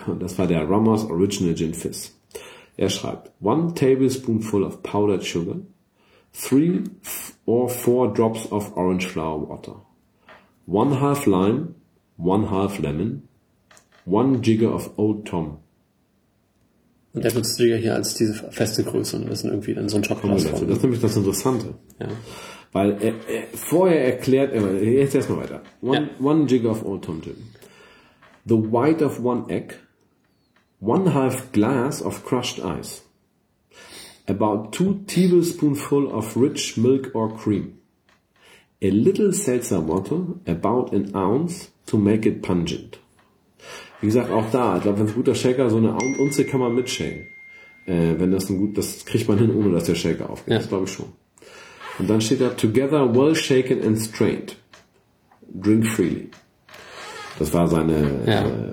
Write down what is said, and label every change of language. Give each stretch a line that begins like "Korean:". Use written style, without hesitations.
German: Und das war der Rummer's Original Gin Fizz. Er schreibt,
English: one tablespoonful of powdered sugar, three or four drops of orange flower water, one half lime, one half lemon, one jigger of Old Tom.
German: Und der nutzt du ja hier als diese feste Größe, und das ist irgendwie dann so ein Schockglas. Das ist nämlich das Interessante. Ja. Weil er vorher erklärt, jetzt erstmal weiter.
English: One jigger of Old Tom Gin. The white of one egg, one half glass of crushed ice, about two tablespoonful of rich milk or cream, a little seltzer water, about an ounce, to make it pungent.
German: Wie gesagt, auch da, ich glaube, wenn es ein guter Shaker, so eine Unze kann man mitshaken. Wenn das ein gut, das kriegt man hin, ohne dass der Shaker aufgeht. Ja. Das glaube ich schon. Und dann steht da,
English: together well shaken and strained. Drink freely.
German: Das war seine, ja.